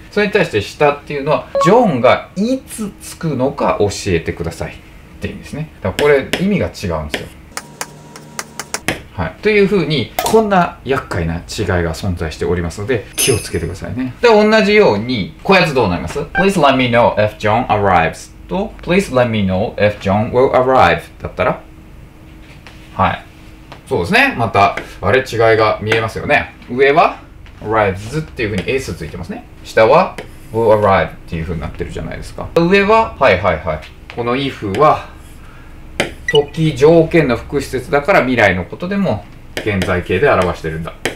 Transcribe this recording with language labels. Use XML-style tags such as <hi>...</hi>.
<ja>それに対して下っていうのはジョンがいつ着くのか教えてくださいって意味ですね。だからこれ意味が違うんですよ、はい。というふうにこんな厄介な違いが存在しておりますので気をつけてくださいね。で同じようにこやつどうなります？</ja> <en>Please let me know if John arrives と Please let me know if John will arrive</en> <ja>だったら、はい、そうですね。またあれ違いが見えますよね。上は arrives っていう風に s ついてますね。下は will arrive っていう風になってるじゃないですか。上は、はいはいはい、この if は時条件の副施設だから未来のことでも現在形で表してるんだ。</ja>